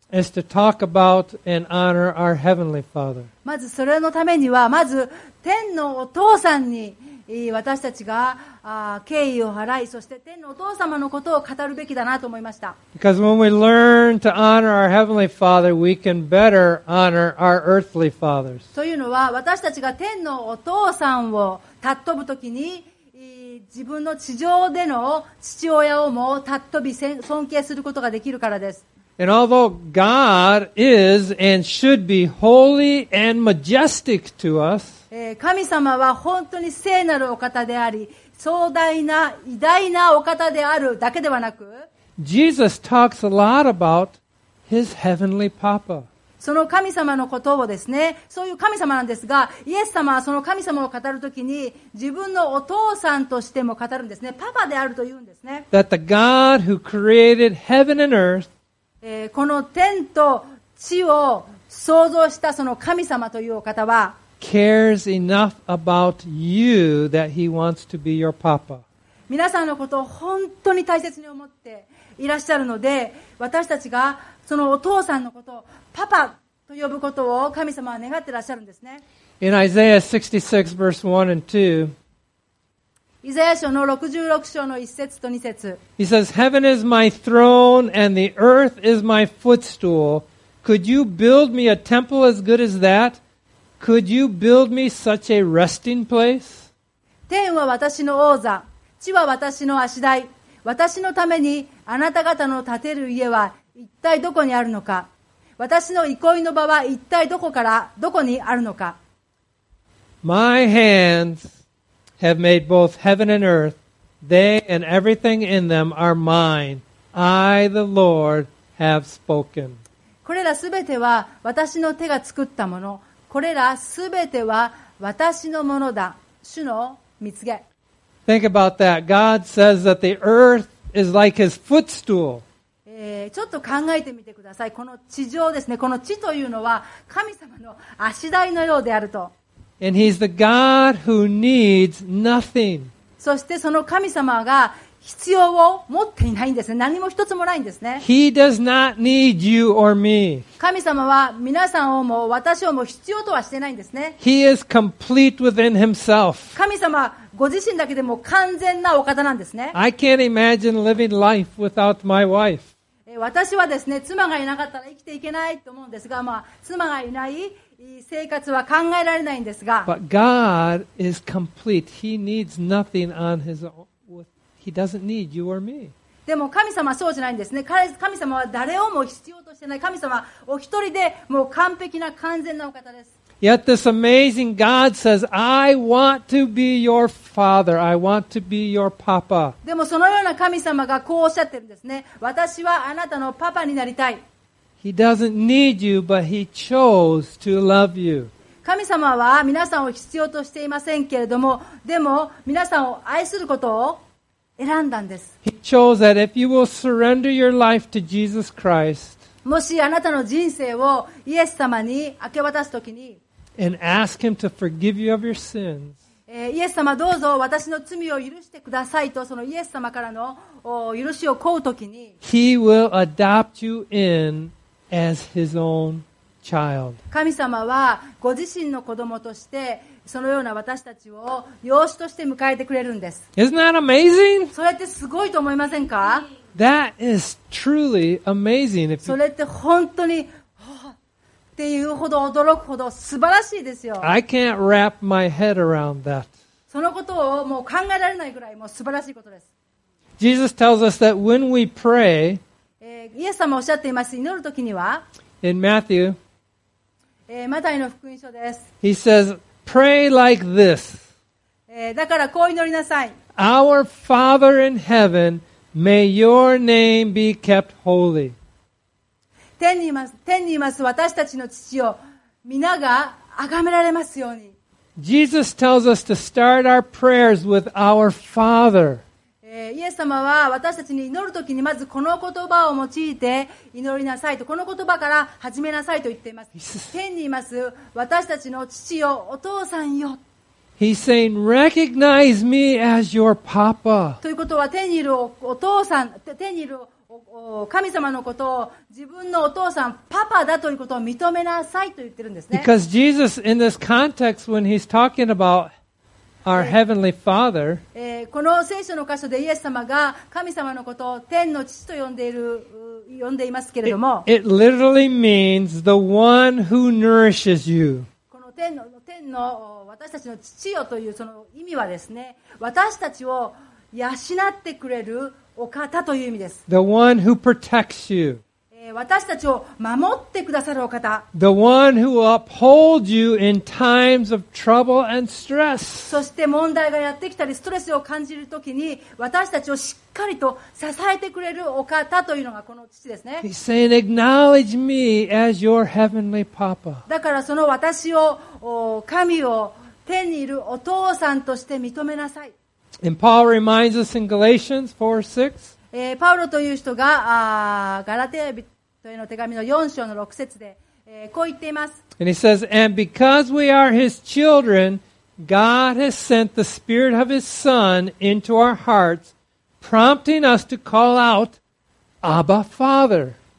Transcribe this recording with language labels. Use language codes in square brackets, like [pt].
[en] is to talk about and honor our heavenly father. [ja] まずそれのためには、まず天のお父さんに私たちが敬意を払い、そして天のお父様のことを語るべきだなと思いました。 [en] Because when we learn to honor our heavenly father, we can better honor our earthly fathers. [ja] というのは、私たちが天のお父さんを尊ぶときに、自分の地上での父親をも尊び尊敬することができるからです。 [en] And although God is and should be holy and majestic to us, [ja] 神様は本当に聖なるお方であり、壮大な偉大なお方であるだけではなく、 [en] Jesus talks a lot about his heavenly papa. [ja] その神様のことをですね、そういう神様なんですが、イエス様はその神様を語るときに自分のお父さんとしても語るんですね。パパであると言うんですね。 [en] That the God who created heaven and earth, [ja] この天と地を創造したその神様というお方は、 [en] cares enough about you that he wants to be your papa. [ja] 皆さんのことを本当に大切に思っていらっしゃるので、私たちがそのお父さんのことをパパと呼ぶことを神様は願っていらっしゃるんですね。 [en] In Isaiah 66 verse 1 and 2, [ja] イザヤ書の66章の1節と2節。 [en] He says, Heaven is my throne and the earth is my footstool. Could you build me a temple as good as that? Could you build me such a resting place? [ja] 天は私の王座、地は私の足台。私のためにあなた方の建てる家は一体どこにあるのか。私の憩いの場は一体どこからどこにあるのか。 [en] My hands have made both heaven and earth. They and everything in them are mine. I, the Lord, have spoken. [ja] これらすべては私の手が作ったもの。これらすべては私のものだ。主の御言葉。 [en] Think about that. God says that the earth is like his footstool. [ja] ちょっと考えてみてください。この地上ですね。この地というのは神様の足台のようであると。 [en] And he's the God who needs nothing. [ja] そしてその神様が必要を持っていないんですね。何も一つもないんですね。 [en] He does not need you or me. [ja] 神様は皆さんをも私をも必要とはしてないんですね。 [en] He is complete within himself. [ja] 神様ご自身だけでも完全なお方なんですね。 [en] I can't imagine living life without my wife. [ja] 私はですね、妻がいなかったら生きていけないと思うんですが、まあ、妻がいない生活は考えられないんですが。 [en] But God is complete. He needs nothing on his own. He doesn't need you or me. [ja] でも神様はそうじゃないんですね。神様は誰をも必要としてない。神様はお一人でもう完璧な完全なお方です。 [en] Yet this amazing God says, I want to be your father. I want to be your papa. [ja] でもそのような神様がこうおっしゃってるんですね。私はあなたのパパになりたい。 [en] He doesn't need you, but he chose to love you. [ja] 神様は皆さんを必要としていませんけれども、でも皆さんを愛することを選んだんです。 [en] He chose that if you will surrender your life to Jesus Christ, [ja] もしあなたの人生をイエス様に明け渡すときに、 [en] and ask him to forgive you of your sins, [ja] イエス様どうぞ私の罪を許してくださいとそのイエス様からの許しを請うときに、 [en] he will adopt you in as his own child. [ja] 神様はご自身の子供としてそのような私たちを養子として迎えてくれるんです。 [en] Isn't that amazing? [ja] それってすごいと思いませんか? [en] That is truly amazing. [ja] それって本当に、っていうほど驚くほど素晴らしいですよ。 [en] I can't wrap my head around that. [ja] そのことをもう考えられないぐらいもう素晴らしいことです。 [en] Jesus tells us that when we pray, [ja] イエス様おっしゃっています。祈るときには、 [en] In Matthew, [ja] マタイの福音書です。 [en] He says,Pray like this. [ja] だからこう祈りなさい。 [en] Our Father in heaven, may your name be kept holy. [ja] 天にいます私たちの父よ、皆が崇められますように。 [en] Jesus tells us to start our prayers with our Father. [ja] イエス様は私たちに祈るときにまずこの言葉を用いて祈りなさいと、この言葉から始めなさいと言っています。天にいます私たちの父よ、お父さんよ。 [en] He's saying, recognize me as your papa. [ja] ということは天にいるお父さん、天にいる神様のことを自分のお父さん、パパだということを認めなさいと言ってるんですね。 [en] Because Jesus, in this context, when he's talking aboutOur heavenly Father, [ja] この聖書の箇所でイエス様が神様のことを天の父と呼んでいますけれども、 [en] it literally means the one who nourishes you. [ja] この天の私たちの父よというその意味はですね、私たちを養ってくれるお方という意味です。 [en] The one who protects you. [ja] 私たちを守ってくださるお方。 [en] The one who will uphold you in times of trouble and stress. [ja] そして問題がやってきたり、ストレスを感じるときに、私たちをしっかりと支えてくれるお方というのがこの父ですね。 [en] He's saying, acknowledge me as your heavenly papa. [ja] だからその私を、神を天にいるお父さんとして認めなさい。 [en] And Paul reminds us in Galatians 4:6. [ja] パウロという人がガラテヤ人への手紙の4章の6節で、こう言っています。 [en] And he says, and because we are his children, God has sent the Spirit of his Son into our hearts, prompting us to call out, Abba, Father.